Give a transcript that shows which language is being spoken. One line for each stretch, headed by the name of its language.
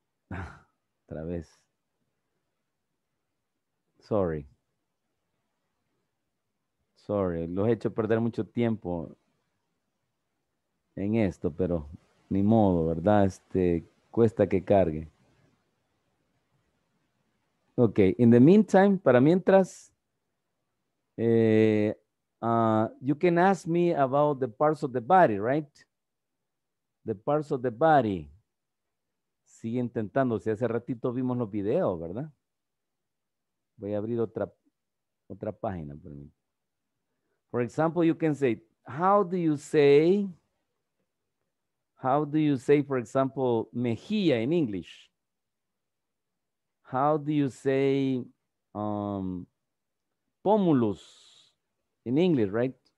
Spanish: Otra vez. Sorry, los he hecho perder mucho tiempo en esto, pero ni modo, ¿verdad? Cuesta que cargue.
English: Ok, in the meantime,
Spanish: para mientras,
English: you can ask me about the parts of the body, right? The parts of the body.
Spanish: Sigue intentando, si hace ratito vimos los videos, ¿verdad? Voy a abrir otra página, permítame.
English: For example, you can say, how do you say, for example, mejilla in English? How do you say pómulos in English, right?